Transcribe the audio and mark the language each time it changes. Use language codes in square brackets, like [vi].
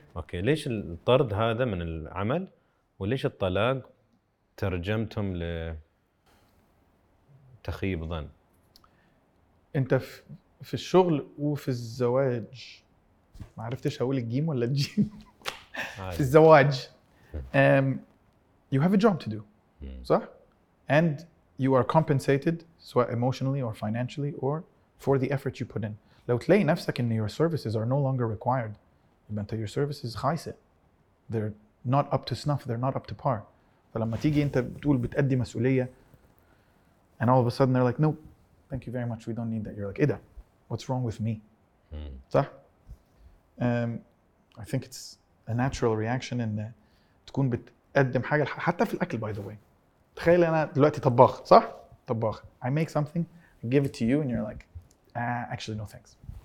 [ar] أوكي، ليش الطرد هذا من العمل وليش الطلاق ترجمتهم لتخيب ظن؟ أنت في الشغل وفي الزواج، ما عرفتش أقول الجيم ولا الجيم. في الزواج [en] you have a job to do. [ar] صح؟ [en] and you are compensated [ar] سواء [en] emotionally or financially or for the effort you put in. [ar] لو تلاقي نفسك ان [en] your services are no longer required، [ar] يبقى انت [en] your services [ar] خايسة، [en] they're not up to snuff، they're not up to par. [ar] فلما تيجي انت بتقول بتأدي مسؤولية [en] and all of a sudden they're like nope thank you very much we don't need that، you're like [ar] ايه ده [en] what's wrong with me. [ar] صح. [en] I think it's a natural reaction [ar] ان تكون بتقدم حاجة. حتى في الأكل [en] by the way، [ar] تخيل انا دلوقتي طباخ. صح. طباخ. [en] I make something I give it to you and you're like actually no thanks.